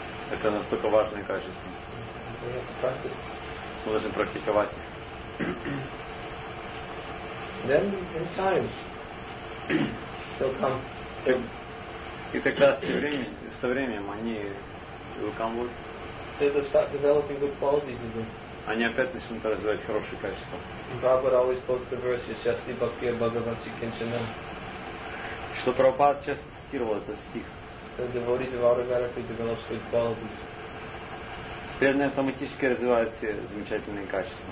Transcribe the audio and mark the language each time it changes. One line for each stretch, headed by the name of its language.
Russian: Это настолько важное качество.
English: We have to practice.
Russian: Мы должны практиковать их.
English: Then in time they'll come.
Russian: И тогда со временем они выкомут.
English: They will start developing good qualities in them.
Russian: Они опять начнут развивать хорошие качества.
English: Prabhupada always quotes the verse,
Sanskrit: "Yasyasti bhakti bhagavati kinchana."
Russian: Что Прабхупад часто цитировал этот стих.
English: The devotee automatically develops good qualities.
Russian: преданный автоматически развивает все замечательные качества.